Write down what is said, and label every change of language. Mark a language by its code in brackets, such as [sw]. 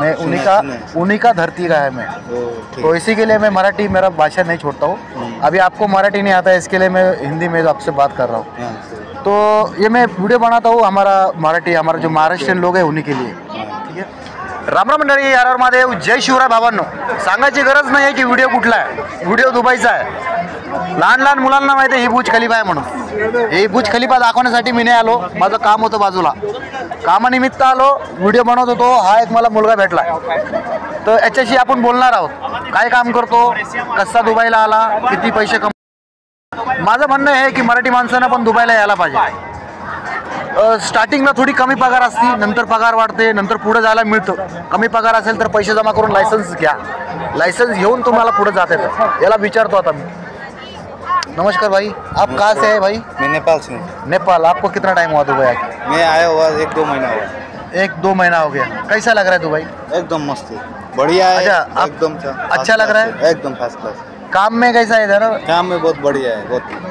[hi] मैं उन्हीं का धरती का है मैं, तो इसी के लिए मैं मराठी मेरा भाषा नहीं छोड़ता हूँ। अभी आपको मराठी नहीं आता इसके लिए मैं हिंदी में आपसे बात कर रहा हूँ हाँ, तो ये मैं वीडियो बनाता हूँ हमारा मराठी, हमारा जो महाराष्ट्रीय लोग है उन्हीं के लिए। ठीक है, [mr] राम राम मंडळी आर आर महादेव, जय शिवराय बाबांनो। सांगायची गरज नाही आहे की व्हिडिओ कुठला आहे, व्हिडिओ दुबईचा आहे। लहान लहान मुलांना माहिती आहे ही बुर्ज खलिफा आहे म्हणून। ही बुर्ज खलिफा दाखवण्यासाठी मी नाही आलो, माझं काम होतं बाजूला, कामानिमित्त आलो, व्हिडिओ बनवत होतो। हा एक मला मुलगा भेटला, तर याच्याशी आपण बोलणार आहोत, काय काम करतो, कसा दुबईला आला, किती पैसे कम। माझं म्हणणं आहे की मराठी माणसानं पण दुबईला यायला पाहिजे। स्टार्टिंगला थोडी कमी पगार असते, नंतर पगार वाढते, नंतर पुढे जायला मिळतं। कमी पगार असेल तर पैसे जमा करून लायसन्स घ्या, लायसन्स घेऊन तुम्हाला पुढे जाता येतं, याला विचारतो आता मी। [hi] नमस्कार भाई, आप कहाँ से हैं भाई? मैं नेपाल से हूँ। नेपाल, आपको कितना टाइम हुआ दुबई आके? मैं आया हुआ एक दो महीना हुआ। एक दो महीना हो गया, कैसा लग रहा है दुबई? एकदम मस्त है, बढ़िया है। अच्छा, एकदम अच्छा लग रहा है, एकदम फर्स्ट क्लास। काम में कैसा है इधर? काम में बहुत बढ़िया है, बहुत